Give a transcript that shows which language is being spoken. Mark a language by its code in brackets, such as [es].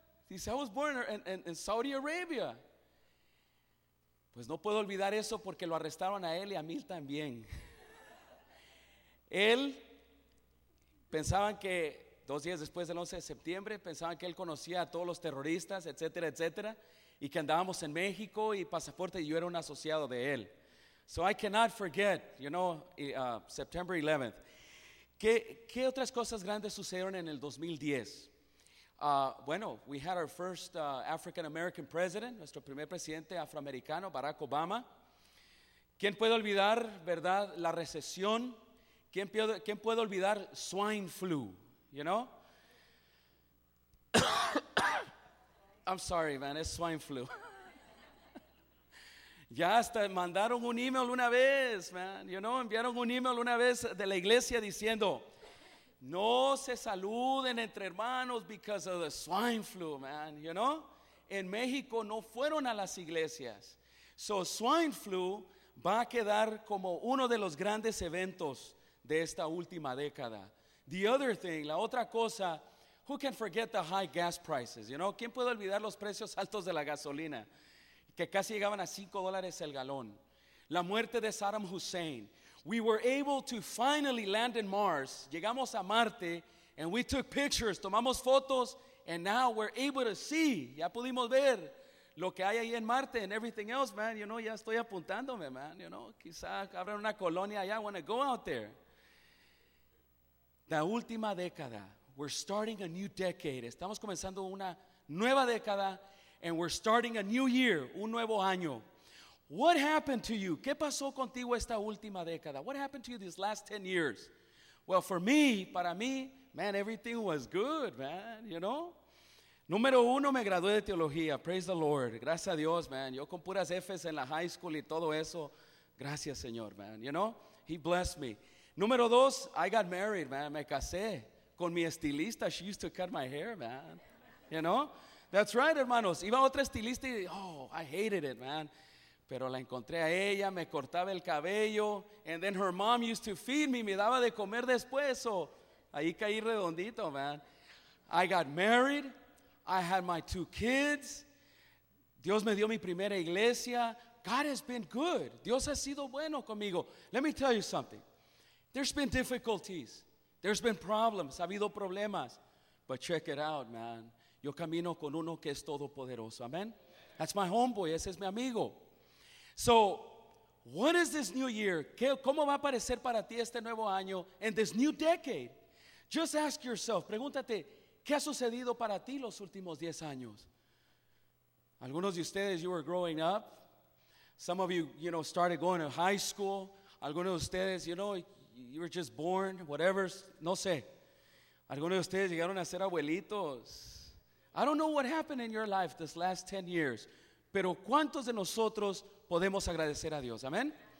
[en] He said, I was born in Saudi Arabia. [es] Pues no puedo olvidar eso porque lo arrestaron a él y a mí también. Él, pensaban que dos días después del 11 de septiembre, pensaban que él conocía a todos los terroristas, etcétera, etcétera, y que andábamos en México y pasaporte y yo era un asociado de él. [en] So I cannot forget, you know, September 11th. [es] ¿Qué otras cosas grandes sucedieron en el 2010? Bueno, [en] we had our first African-American president, [es] nuestro primer presidente afroamericano, [en] Barack Obama. [es] ¿Quién puede olvidar, verdad, la recesión? ¿Quién puede olvidar [en] swine flu, you know? I'm sorry, man, it's swine flu. [es] Ya hasta mandaron un email una vez, man, you know, enviaron un email una vez de la iglesia diciendo, no se saluden entre hermanos [en] because of the swine flu, man, you know. [es] En México no fueron a las iglesias. So swine flu va a quedar como uno de los grandes eventos de esta última década. [en] The other thing, [es] la otra cosa, [en] who can forget the high gas prices, you know. [es] ¿Quién puede olvidar los precios altos de la gasolina? Que casi llegaban a $5 el galón. La muerte de Saddam Hussein. [en] We were able to finally land in Mars. [es] Llegamos a Marte [en] and we took pictures. [es] Tomamos fotos [en] and now we're able to see. [es] Ya pudimos ver lo que hay ahí en Marte [en] and everything else, man. You know, [es] ya estoy apuntándome, [en] man. You know, [es] quizá abran una colonia allá. [en] I want to go out there. [es] La última década. [en] We're starting a new decade. [es] Estamos comenzando una nueva década. [en] And we're starting a new year, [es] un nuevo año. [en] What happened to you? [es] ¿Qué pasó contigo esta última década? [en] What happened to you these last 10 years? Well, for me, [es] para mí, [en] man, everything was good, man, you know? [es] Número uno, me gradué de teología. [en] Praise the Lord. [es] Gracias a Dios, man. Yo con puras Fs en la high school y todo eso. Gracias, Señor, [en] man, you know? He blessed me. [es] Número dos, [en] I got married, man. [es] Me casé con mi estilista. [en] She used to cut my hair, man, you know? That's right, hermanos. [es] Iba otra estilista y, [en] oh, I hated it, man. [es] Pero la encontré a ella, me cortaba el cabello. [en] And then her mom used to feed me, [es] me daba de comer después. [en] So, [es] ahí caí redondito, [en] man. I got married. I had my two kids. [es] Dios me dio mi primera iglesia. [en] God has been good. [es] Dios ha sido bueno conmigo. [en] Let me tell you something. There's been difficulties. There's been problems. [es] Ha habido problemas. [en] But check it out, man. [es] Yo camino con uno que es todopoderoso. Amen. [en] That's my homeboy. [es] Ese es mi amigo. [en] So, what is this new year? [es] ¿Cómo va a parecer para ti este nuevo año? [en] And this new decade. Just ask yourself. [es] Pregúntate, ¿qué ha sucedido para ti los últimos 10 años? Algunos de ustedes, [en] you were growing up. Some of you, you know, started going to high school. [es] Algunos de ustedes, [en] you know, you were just born, whatever. [es] No sé. Algunos de ustedes llegaron a ser abuelitos. [en] I don't know what happened in your life this last 10 years. [es] Pero ¿cuántos de nosotros podemos agradecer a Dios? Amén.